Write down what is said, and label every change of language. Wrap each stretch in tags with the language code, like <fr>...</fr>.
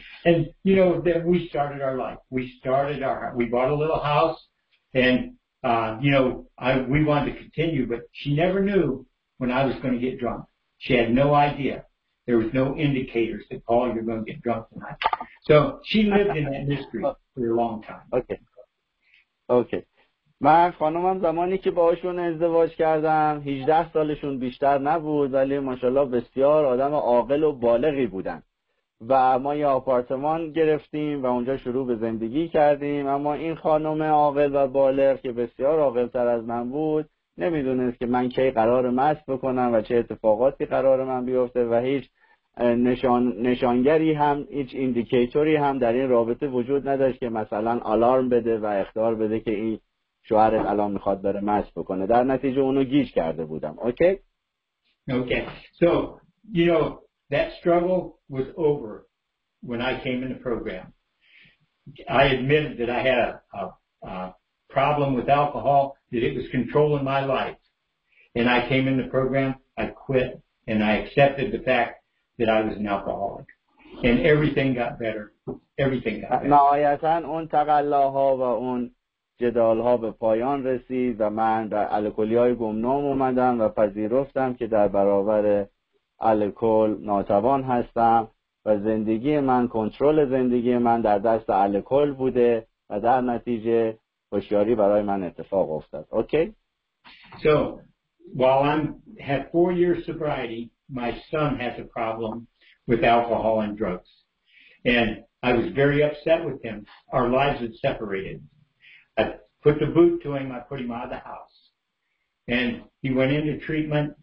<en>And, you know, then we started our life. We bought a little house. And, you know, we wanted to continue. But she never knew when I was going to get drunk. She had no idea. There was no indicators that, Paul, you're going to get drunk tonight. So she lived in that mystery for a long time. Okay. Okay.</en> <fa>من خانومم زمانی که باهاشون ازدواج کردم 18 سالشون بیشتر نبود، ولی ماشاءالله بسیار آدم عاقل و بالغی بودن و ما یه آپارتمان گرفتیم و اونجا شروع به زندگی کردیم. اما این خانم عاقل و بالغ که بسیار عاقل تر از من بود نمیدونست که من کی قرار مست بکنم و چه اتفاقاتی قرار من بیفته و هیچ نشانگری هم، هیچ ایندیکیتوری هم در این رابطه وجود نداشت که مثلا آلارم بده و اخطار بده که این شوهرت الان میخواد بره مست بکنه. در نتیجه اونو گیج کرده بودم.</fa> <en>Okay. So, you know, that struggle was over when I came in the program. I admitted that I had a problem with alcohol, that it was controlling my life. And I came in the program, I quit, and I accepted the fact that I was an alcoholic. And everything got better. Everything got better.</en> <fa>نهایتاً اون تقلاها و اون جدال‌ها به پایان رسید و من در الکلی‌های گمنام اومدم و پذیرفتم که در برابر الکل ناتوان هستم و زندگی من، کنترل زندگی من در دست الکل بوده و در نتیجه هوشیاری برای من اتفاق افتاد.</fa> <en>Okay? So, while I have 4 years sobriety, my son has a problem with alcohol and drugs. And I was very upset with him. Our lives had separated. I put the boot to him, I put him out of the house. And he went into treatment.</en>